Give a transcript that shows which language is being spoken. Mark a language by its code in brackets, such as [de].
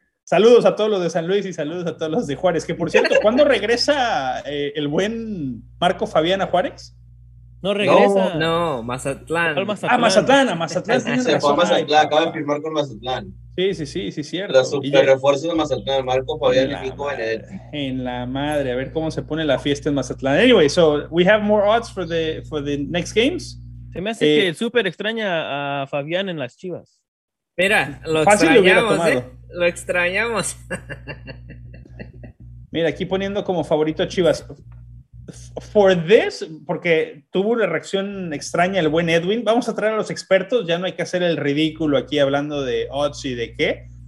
[es] Saludos a todos los de San Luis y saludos a todos los de Juárez. Que, por cierto, ¿cuándo regresa el buen Marco Fabián a Juárez? No regresa. No, Mazatlán. Mazatlán. Se fue a Mazatlán, acaba de firmar con Mazatlán. Sí, cierto. La super refuerzo de Mazatlán, Marco Fabián y Nico Benedetti. En la madre, a ver cómo se pone la fiesta en Mazatlán. [en] Anyway, so we have more odds for the next games. [es] Se me hace que súper extraña a Fabián en las Chivas. Mira, lo fácil extrañamos, lo extrañamos. Mira, aquí poniendo como favorito a Chivas. [en] For this, [es] porque tuvo una reacción extraña el buen Edwin, vamos a traer a los expertos, ya no hay que hacer el ridículo aquí hablando de odds y de qué.